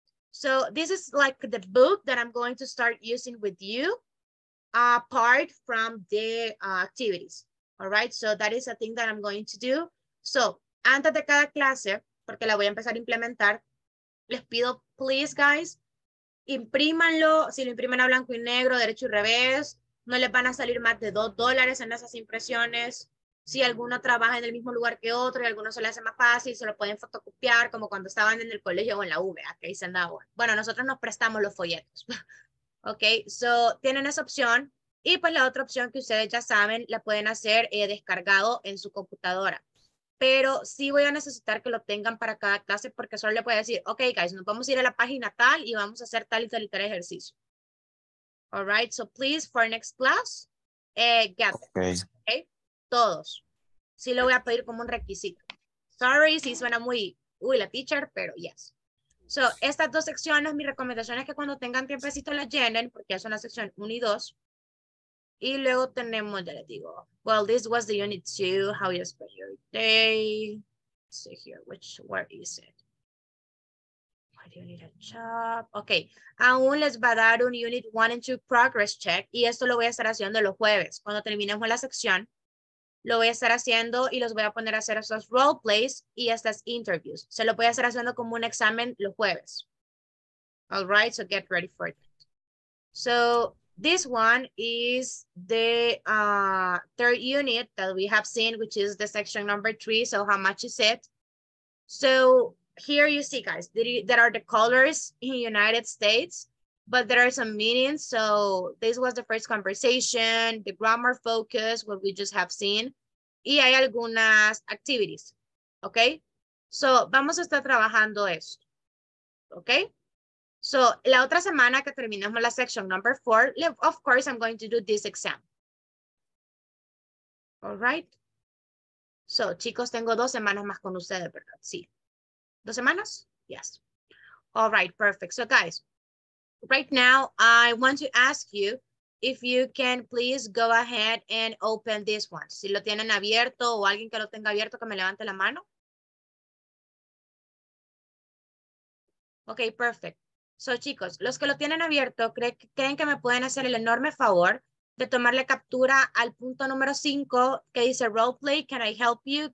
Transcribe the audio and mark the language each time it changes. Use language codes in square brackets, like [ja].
[en] So this is like the book that I'm going to start using with you apart from the activities, all right? So that is a thing that I'm going to do. [es] So antes de cada clase, porque la voy a empezar a implementar, les pido, [en] please, guys, [es] imprímanlo, si lo imprimen a blanco y negro, derecho y revés, no les van a salir más de $2 en esas impresiones. Si alguno trabaja en el mismo lugar que otro y alguno se le hace más fácil, se lo pueden fotocopiar como cuando estaban en el colegio o en la UV, que ahí se andaba. Bueno, nosotros nos prestamos los folletos. Ok, so tienen esa opción. Y pues la otra opción que ustedes ya saben, la pueden hacer descargado en su computadora. Pero sí voy a necesitar que lo tengan para cada clase porque solo le voy a decir, ok, guys, nos vamos a ir a la página tal y vamos a hacer tal y tal y tal ejercicio. [en] All right, so please, for next class, get them. Okay. Todos. [es] Sí lo voy a pedir como un requisito. Sorry, sí suena muy, la teacher, pero yes. So, estas dos secciones, mi recomendación es que cuando tengan tiempecito las llenen porque es una sección 1 y 2. Y luego tenemos, ya les digo, [en] well, this was the unit 2, how you spend your day. Let's see here, where is it? Why do you need a job? Okay, [es] aún les va a dar un [en] unit 1 and 2 progress check. [es] Y esto lo voy a estar haciendo los jueves. Cuando terminemos la sección, lo voy a estar haciendo y los voy a poner a hacer esos role plays y estas interviews. Se lo voy a estar haciendo como un examen los jueves. [en] All right, so get ready for that. So this one is the third unit that we have seen, which is the section number 3. So how much is it? So here you see, guys, there are the colors in United States. but there are some meetings. So this was the first conversation, the grammar focus, what we just have seen, [es] y hay algunas [en] activities, okay? [es] So vamos a estar trabajando esto, okay? So la otra semana que terminemos la section number 4, of course, I'm going to do this exam. [en] All right? [es] So, chicos, tengo 2 semanas más con ustedes, ¿verdad? Sí. 2 semanas? [en] Yes. All right, perfect. So, guys, right now, I want to ask you if you can please go ahead and open this one. [es] Si lo tienen abierto o alguien que lo tenga abierto, que me levante la mano. Okay, perfect. So, chicos, los que lo tienen abierto, ¿creen que me pueden hacer el enorme favor de tomarle captura al punto número 5 que dice role play, [en] can I help you?